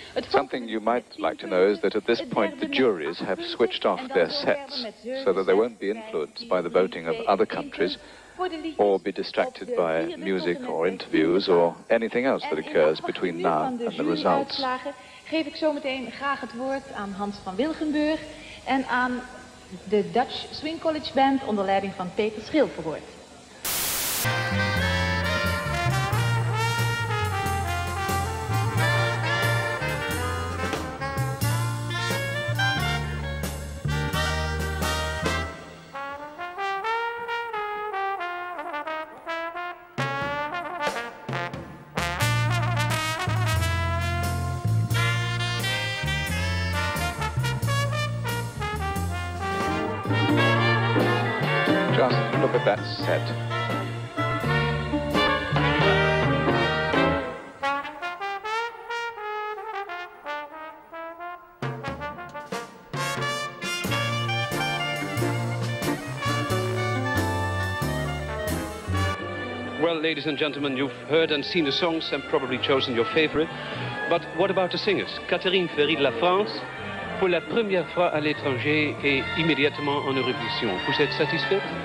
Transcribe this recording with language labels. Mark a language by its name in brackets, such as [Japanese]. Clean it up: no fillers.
[English] Something you might like to know is that at this point the juries have switched off their sets so that they won't be influenced by the voting of other countries or be distracted by music or interviews or anything else that occurs between now and the results. [Dutch] Geef ik zo meteen graag het woord aan Hans van Wilgenburg en aan de Dutch Swing College Band onder leiding van Peter Schilperhoort. Set. [English] Well, ladies and gentlemen, you've heard and seen the songs and probably chosen your favorite. But what about the singers? [French] Catherine Ferry de la France, pour la première fois à l'étranger et immédiatement en Eurovision. Vous êtes satisfaite?